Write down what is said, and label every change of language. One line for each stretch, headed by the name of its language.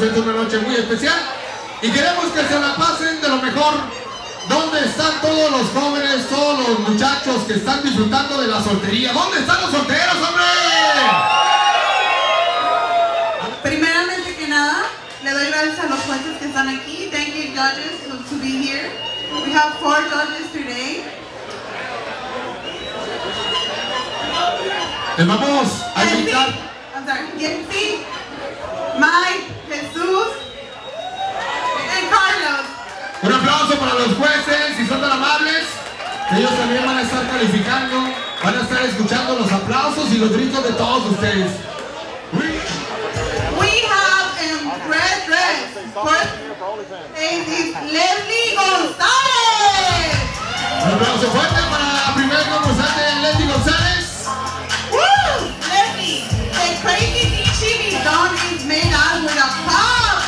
Spanish: Esta es una noche muy especial y queremos que se la pasen de lo mejor. ¿Dónde están todos los jóvenes, todos los muchachos que están disfrutando de la soltería? ¿Dónde están los solteros, hombre? Primeramente que nada, le doy gracias a los jueces que están aquí.
English: Thank you, judges, to be here. We have 4 judges today.
Spanish: Te vamos a invitar.
English: I'm sorry. Jesse, Mike, Jesús y Carlos.
Spanish: Un aplauso para los jueces, si son tan amables. Ellos también van a estar calificando, van a estar escuchando los aplausos y los gritos de todos ustedes.
English: We have a red dress. It is Leslie González.
Spanish: Un aplauso fuerte para la primera concursante, Leslie González. Woo!
English: Leslie, a crazy bitchy don is made out with a pop.